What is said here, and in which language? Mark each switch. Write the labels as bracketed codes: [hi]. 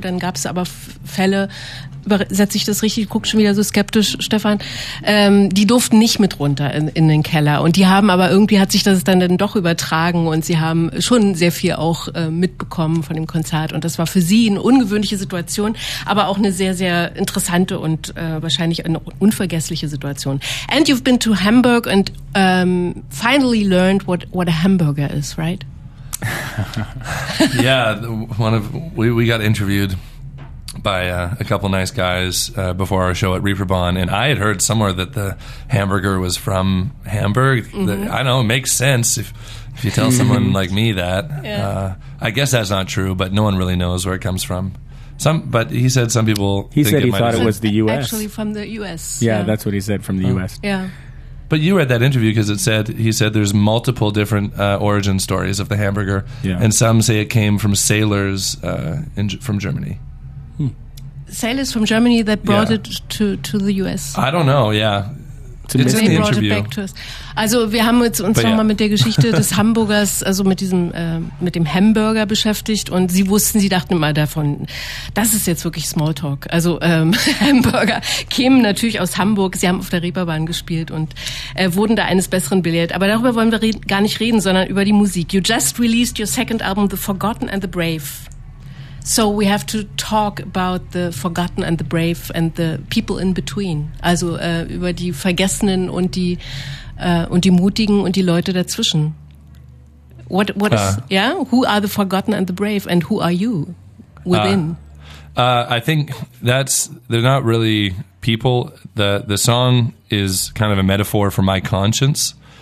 [de] Dann gab es aber Fälle, übersetze ich das richtig, guck schon wieder so skeptisch, Stefan, die durften nicht mit runter in den Keller. Und die haben aber irgendwie, hat sich das dann doch übertragen und sie haben schon sehr viel auch mitbekommen von dem Konzert. Und das war für sie eine ungewöhnliche Situation, aber auch eine sehr, sehr interessante und wahrscheinlich eine unvergessliche Situation. [en] And you've been to Hamburg and finally learned what a hamburger is, right? Yeah, we got interviewed by a couple nice guys before our show at Reeperbahn, and I had heard somewhere that the hamburger was from Hamburg. Mm-hmm. I don't know, it makes sense if you tell someone like me that. Yeah. I guess that's not true, but no one really knows where it comes from. But he said some people... He thought it was the U.S. Actually from the U.S. Yeah, yeah. That's what he said, from the U.S. Yeah. But you read that interview because he said there's multiple different origin stories of the hamburger, yeah. And some say it came from sailors from Germany. Sailors from Germany that brought it to the US. I don't know, yeah. It's in the interview. They brought it back to us. [de] Also wir haben uns nochmal mit der Geschichte des Hamburgers, also mit diesem mit dem Hamburger beschäftigt und sie dachten immer davon, das ist jetzt wirklich Smalltalk. Also Hamburger kämen natürlich aus Hamburg, sie haben auf der Reeperbahn gespielt und wurden da eines Besseren belehrt. Aber darüber wollen wir gar nicht reden, sondern über die Musik. [en] You just released your second album, The Forgotten and the Brave. So we have to talk about the forgotten and the brave and the people in between. [de] Also über die Vergessenen und die Mutigen und die Leute dazwischen. [en] Who are the forgotten and the brave and who are you within? I think they're not really people. The song is kind of a metaphor for my conscience.